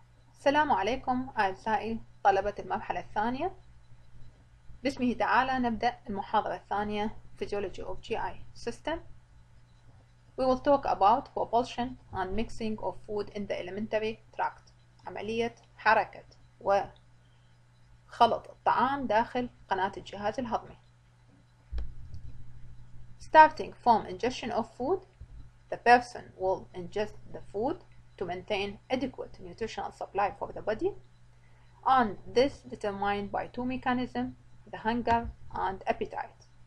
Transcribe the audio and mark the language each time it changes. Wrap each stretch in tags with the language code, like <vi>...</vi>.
<ar>السلام عليكم أعزائي طلبة المرحلة الثانية. باسمه تعالى نبدأ المحاضرة الثانية</ar> <en>Physiology of GI System. We will talk about propulsion and mixing of food in the alimentary tract.</en> <ar>عملية حركة وخلط الطعام داخل قناة الجهاز الهضمي.</ar> <en>Starting from ingestion of food, the person will ingest the food to maintain adequate nutritional supply for the body, and this determined by two mechanisms, the hunger and appetite.</en>